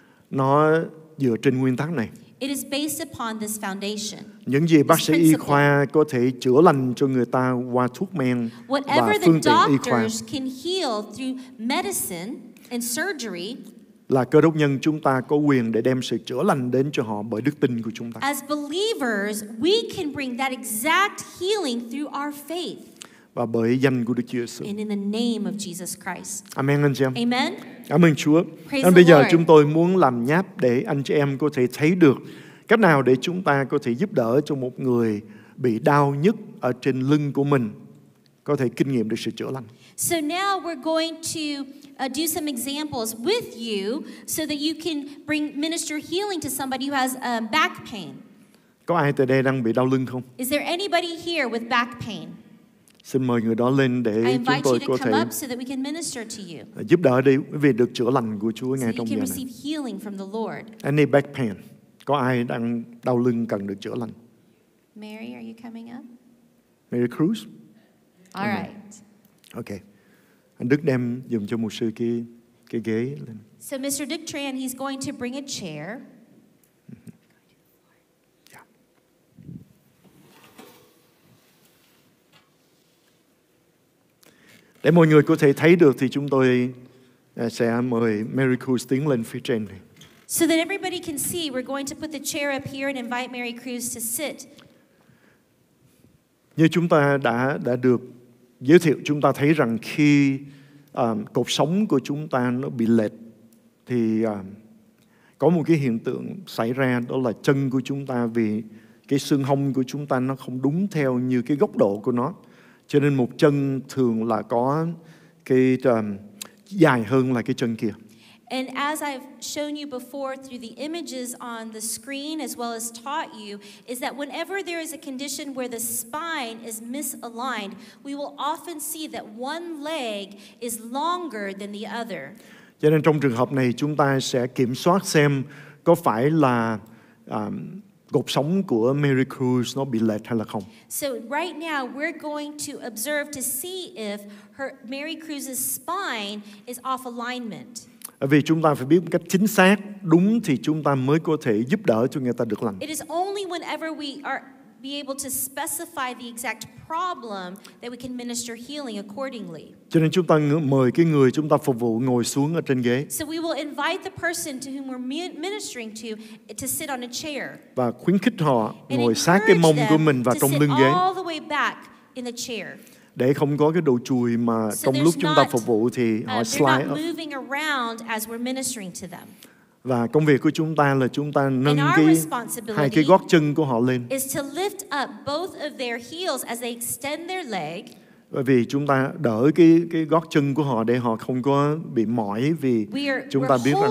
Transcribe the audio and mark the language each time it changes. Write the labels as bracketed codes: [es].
[vi] Nó dựa trên nguyên tắc này. [en] It is based upon this foundation. [vi] Những gì bác sĩ y khoa có thể chữa lành cho người ta qua thuốc men [en] whatever [vi] và phương tiện y khoa [en] can heal through medicine and surgery, [vi] là cơ đốc nhân chúng ta có quyền để đem sự chữa lành đến cho họ bởi đức tin của chúng ta. [en] As believers, we can bring that exact healing through our faith. [vi] Và bởi danh của Đức Chúa Jesus. [en] And in the name of Jesus Christ. [vi] Amen anh chị em. [en] Amen. [vi] Cảm ơn Chúa. Nên bây giờ chúng tôi muốn làm nháp để anh chị em có thể thấy được cách nào để chúng ta có thể giúp đỡ cho một người bị đau nhất ở trên lưng của mình có thể kinh nghiệm được sự chữa lành. [en] So now we're going to do some examples with you so that you can bring minister healing to somebody who has back pain. [vi] Có ai từ đây đang bị đau lưng không? [en] Is there anybody here with back pain? [vi] Xin mời người đó lên để chúng tôi có thể giúp đỡ đi quý vị được chữa lành của Chúa ngay trong giờ này. [en] Any back pain? [vi] Có ai đang đau lưng cần được chữa lành? [en] Mary, are you coming up? Mary Cruz? All right. Okay. [vi] Anh Đức đem dùm cho mục sư cái ghế lên. [en] So Mr. Dick Tran, he's going to bring a chair. [vi] Để mọi người có thể thấy được thì chúng tôi sẽ mời Mary Cruz tiến lên phía trên này. [en] So that everybody can see, we're going to put the chair up here and invite Mary Cruz to sit. [vi] Như chúng ta đã được giới thiệu, chúng ta thấy rằng khi cột sống của chúng ta nó bị lệch thì có một cái hiện tượng xảy ra, đó là chân của chúng ta vì cái xương hông của chúng ta nó không đúng theo như cái góc độ của nó. Cho nên một chân thường là có cái dài hơn là cái chân kia. [en] And as I've shown you before through the images on the screen as well as taught you is that whenever there is a condition where the spine is misaligned, we will often see that one leg is longer than the other. [vi] Cho nên trong trường hợp này chúng ta sẽ kiểm soát xem có phải là cột sống của Mary Cruz nó bị lệch hay là không. [en] So right now we're going to observe to see if Mary Cruz's spine is off alignment. [vi] Vì chúng ta phải biết một cách chính xác, đúng thì chúng ta mới có thể giúp đỡ cho người ta được lành. [en] It is only whenever we are be able to specify the exact problem that we can minister healing accordingly. [vi] Cho nên chúng ta mời cái người chúng ta phục vụ ngồi xuống ở trên ghế. [en] So we will invite the person to whom we're ministering to sit on a chair. [vi] Và khuyến khích họ ngồi sát cái mông của mình vào trong lưng ghế. [en] All the way back in the chair. [vi] Để không có cái đồ chùi mà [en] so [vi] trong lúc chúng ta phục vụ thì họ slide [en] not moving around as we're ministering to them. [vi] Và công việc của chúng ta là chúng ta nâng cái hai cái gót chân của họ lên. [en] Is to lift up both of their heels as they extend their leg. [vi] Bởi vì chúng ta đỡ cái gót chân của họ để họ không có bị mỏi vì chúng ta biết rằng